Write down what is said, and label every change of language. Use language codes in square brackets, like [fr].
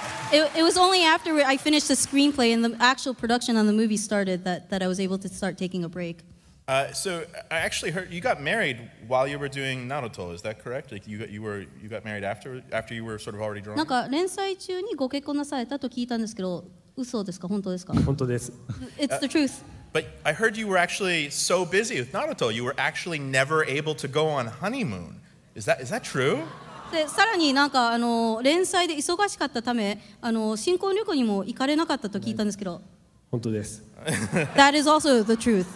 [en] It was only after I finished the screenplay and the actual production on the movie started that I was able to start taking a break. So I actually heard you got married while you were doing Naruto, is that correct? Like you got married after you were sort of already drawing? [ja] なんか連載中にご結婚なされたと聞いたんですけど、嘘ですか本当ですか? 本当です。 [en] It's the truth. But I heard you were actually so busy with Naruto, you were actually never able to go on honeymoon. Is that true? [ja] で、さらになんか連載で忙しかったため、新婚旅行にも行かれなかったと聞いたんですけど。本当です。 [en] That is also the truth.